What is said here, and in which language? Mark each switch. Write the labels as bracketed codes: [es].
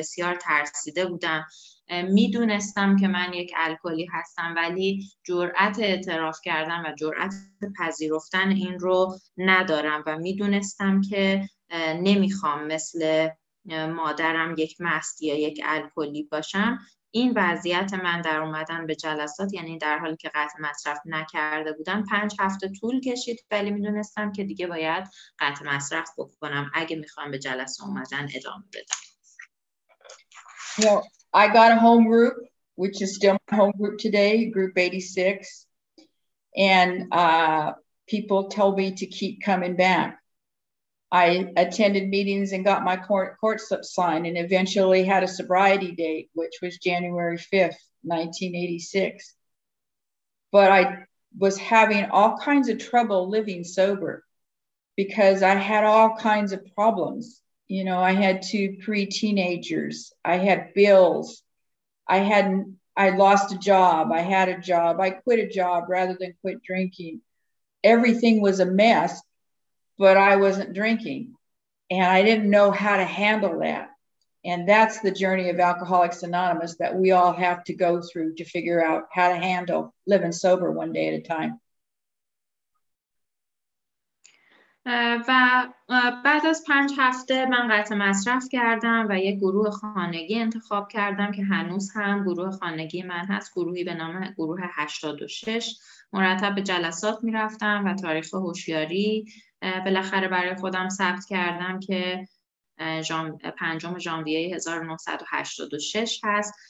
[fa] بسیار ترسیده بودم، میدونستم که من یک الکلی هستم، ولی جرأت اعتراف کردن و جرأت پذیرفتن این رو ندارم و میدونستم که نمیخوام مثل مادرم یک مست یا یک الکلی باشم. این وضعیت من در اومدن به جلسات، یعنی در حالی که قطع مصرف نکرده بودم، 5 هفته طول کشید، ولی میدونستم که دیگه باید قطع مصرف بکنم اگه میخوام به جلسه اومدن ادامه بدم. [en] I got a home group, which is still my home group today, group 86. And people told me to keep coming back. I attended meetings and got my court slip signed and eventually had a sobriety date, which was January 5th, 1986. But I was having all kinds of trouble living sober because I had all kinds of problems. You know, I had 2 pre-teenagers. I had bills. I lost a job. I had a job. I quit a job rather than quit drinking. Everything was a mess, but I wasn't drinking. And I didn't know how to handle that. And that's the journey of Alcoholics Anonymous that we all have to go through to figure out how to handle living sober one day at a time. [fa] و بعد از 5 هفته من قطع مصرف کردم و یک گروه خانگی انتخاب کردم که هنوز هم گروه خانگی من هست، گروهی به نام گروه 86. مرتب به جلسات می رفتم و تاریخ هوشیاری بالاخره برای خودم ثبت کردم که 5 ژانویه 1986 هست.